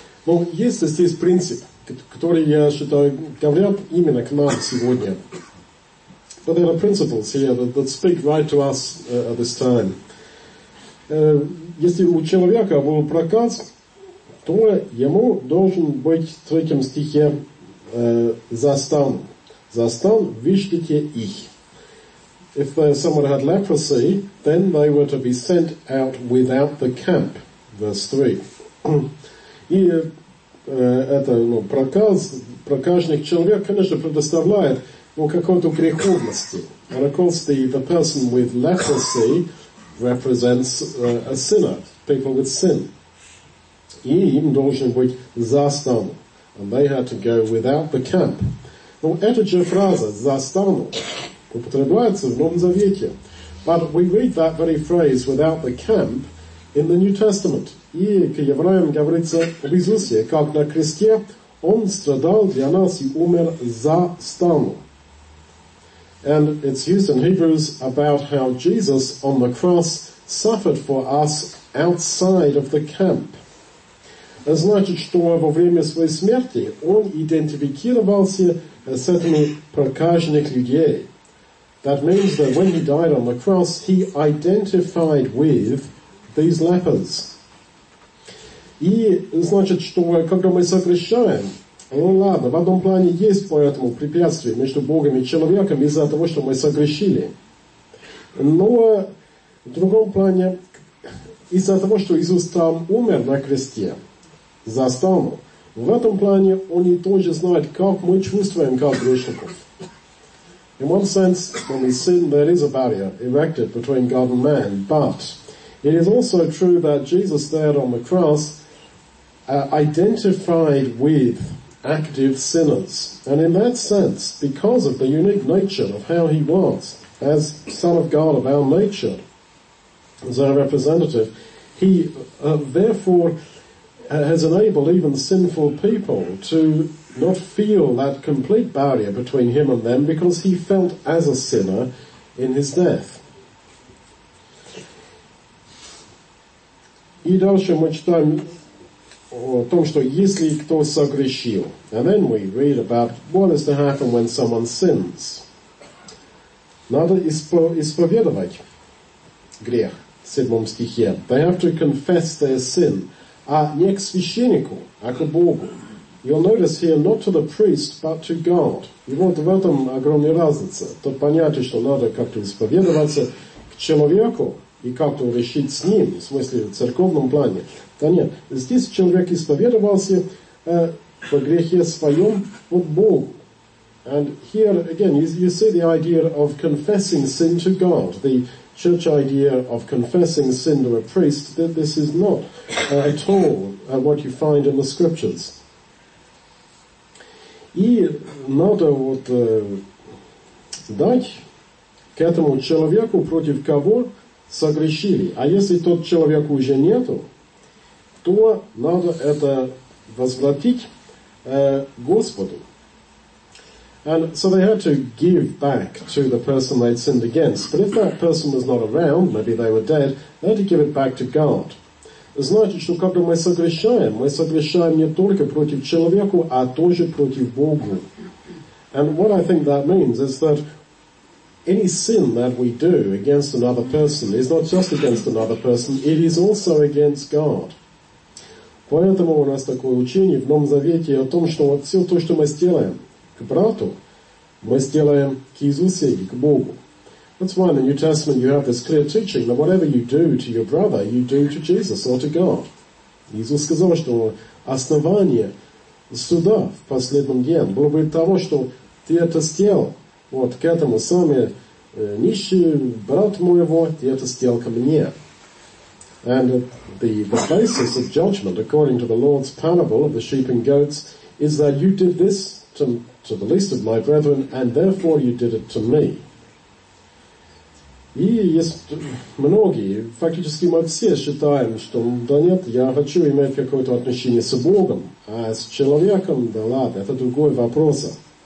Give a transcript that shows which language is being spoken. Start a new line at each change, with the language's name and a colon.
Russian: Но есть здесь принцип, который, я считаю, говорят именно к нам сегодня.
English: But there are principles here that speak right to us at this time.
Russian: Если у человека был проказ, то ему должен быть в третьем стихе застан. Застан, вышлите их.
English: If someone had leprosy, then they were to be sent out without the camp. Verse 3.
Russian: И это, ну, проказ, прокаженный человек, конечно, предоставляет, ну, какой-то греховности.
English: And of course, the person with leprosy represents a sinner, people with sin.
Russian: И им должен быть застан.
English: And they had to go without the camp.
Russian: Ну, это же фраза, застан, употребляется в Новом Завете.
English: But we read that very phrase, without the camp, in the New Testament.
Russian: И к евреям говорится об Иисусе, как на кресте он страдал для нас и умер за стан.
English: And it's used in Hebrews about how Jesus on the cross suffered for us outside of the camp.
Russian: Значит, что во время своей смерти он идентифицировался с этими прокаженных людей.
English: That means that when he died on the cross, he identified with these lepers.
Russian: И значит, что когда мы согрешаем, ну ладно, в одном плане есть по этому препятствие между Богом и человеком из-за того, что мы согрешили. Но в другом плане, из-за того, что Иисус там умер на кресте, застал, в этом плане они тоже знают, как мы чувствуем как грешников.
English: In one sense, when we sin, there is a barrier erected between God and man. But it is also true that Jesus there on the cross identified with active sinners. And in that sense, because of the unique nature of how he was, as Son of God of our nature, as our representative, he therefore has enabled even sinful people to not feel that complete barrier between him and them because he felt as a sinner in his death.
Russian: И дальше мы читаем о том, что если кто согрешил.
English: And then we read about what is to happen when someone sins.
Russian: Надо исповедовать грех в 7 стихе.
English: They have to confess their sin.
Russian: А не к священнику, а к Богу.
English: You'll notice here, not to the priest, but to God.
Russian: И вот в этом огромная разница. То понятие, что надо как-то исповедоваться к человеку и как-то решить с ним, в смысле в церковном плане. Да нет, здесь человек исповедовался по грехе своем вот Богу.
English: And here, again, you see the idea of confessing sin to God. The church idea of confessing sin to a priest, that this is not at all what you find in the scriptures.
Russian: И надо вот дать к этому человеку, против кого согрешили. А если тот человек уже нету, то надо это возвратить Господу.
English: And so they had to give back to the person they'd sinned against. But if that person was not around, maybe they were dead, they had to give it back to God.
Russian: Значит, что когда мы согрешаем не только против человеку, а тоже против Богу.
English: And what I think that means is that any sin that we do against another person is not just against another person, it is also against God.
Russian: Поэтому у нас такое учение в Новом Завете о том, что вот все то, что мы сделаем к брату, мы сделаем к Иисусе и к Богу.
English: That's why in the New Testament you have this clear teaching that whatever you do to your brother, you do to Jesus or to God.
Russian: Иисус сказал, что основание суда в последнем день было бы того, что ты это сделал вот к этому самому нищему брату моего, ты это сделал ко мне.
English: And the basis of judgment, according to the Lord's parable of the sheep and goats, is that you did this to the least of my brethren, and therefore you did it to me.
Russian: И есть многие, фактически мы все считаем, что да нет, я хочу иметь какое-то отношение с Богом, а с человеком, да ладно, это другой вопрос.